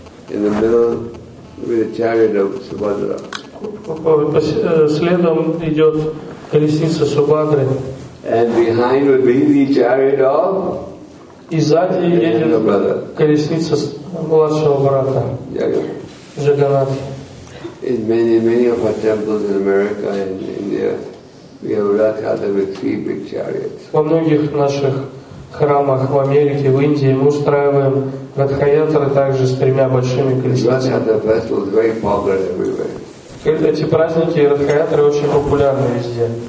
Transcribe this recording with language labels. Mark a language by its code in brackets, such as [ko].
[ru] Следом идет колесница Субхадры. [en] And behind would be the chariot of. [ru] И сзади едет колесница младшего брата. Джаганнатха. [en] In many of our temples in America and India, we have Rath Yatra with 3 big chariots. [ru] Во многих наших храмах в Америке, в Индии мы устраиваем Рath Yatra также с 3 большими колесницами. Эти праздники и Радхаятры очень популярны везде.